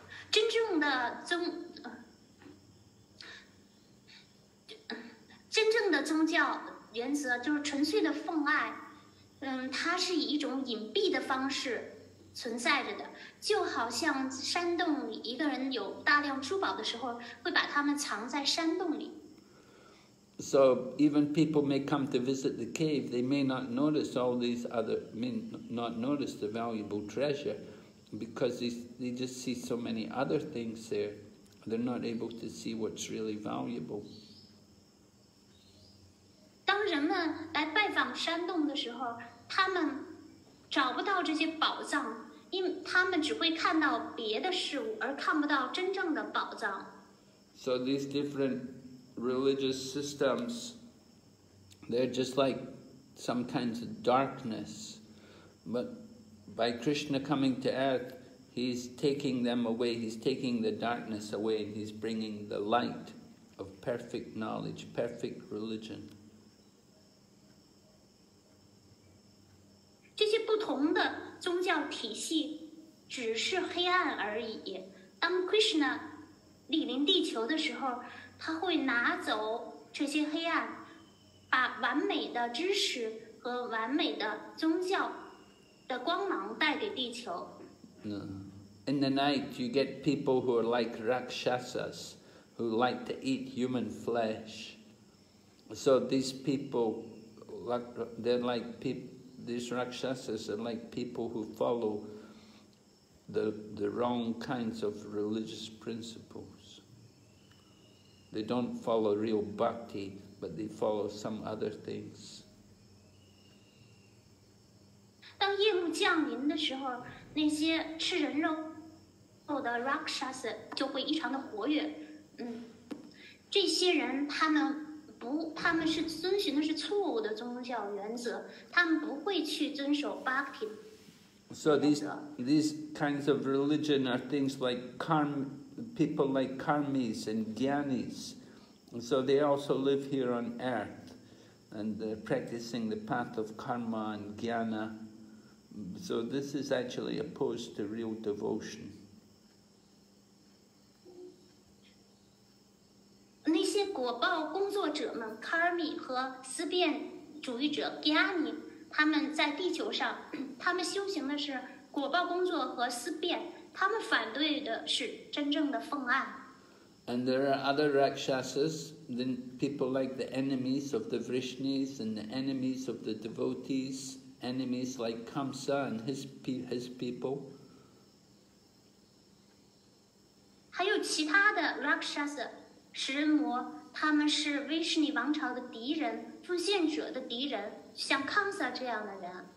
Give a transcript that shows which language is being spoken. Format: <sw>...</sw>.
<zh>真正的宗真正的宗教原则就是纯粹的奉爱，它是以一种隐蔽的方式存在着的，就好像山洞里一个人有大量珠宝的时候，会把它们藏在山洞里。</zh> <en>So even people may come to visit the cave, they may not notice all these other, may not notice the valuable treasure, because they just see so many other things there, they're not able to see what's really valuable.</en> <zh>当人们来拜访山洞的时候，他们找不到这些宝藏，因为他们只会看到别的事物，而看不到真正的宝藏。</zh> <en>So these different religious systems, they're just like some kinds of darkness. But by Krishna coming to earth, he's taking them away, he's taking the darkness away, and he's bringing the light of perfect knowledge, perfect religion.</en> <zh>这些不同的宗教体系只是黑暗而已。当 Krishna 莅临地球的时候，他会拿走这些黑暗，把完美的知识和完美的宗教的光芒带给地球。</zh> <en>In the night, you get people who are like Rakshasas, who like to eat human flesh. So these people, they're like people. These Rakshasas are like people who follow the wrong kinds of religious principles. They don't follow real bhakti, but they follow some other things.</en> <zh>当夜幕降临的时候，那些吃人肉的 Rakshasas 就会异常的活跃。这些人他们是遵循的是错误的宗教原则，他们不会去遵守 bhakti 原则。</zh> <en>So these kinds of religion are things like people like karmis and jnanis. So they also live here on earth, and they're practicing the path of karma and jnana. So this is actually opposed to real devotion.</en> <zh>那些果报工作者们 ，karmi 和思辨主义者 ，jnani， 他们在地球上，他们修行的是果报工作和思辨，他们反对的是真正的奉爱。</zh> <en>And there are other rakshasas, then people like the enemies of the vrishnis and the enemies of the devotees, enemies like Kamsa and his people.</en> <zh>还有其他的 Rakshas 食人魔，他们是 Vishnu 王朝的敌人，奉献者的敌人，像 Kamsa 这样的人。</zh>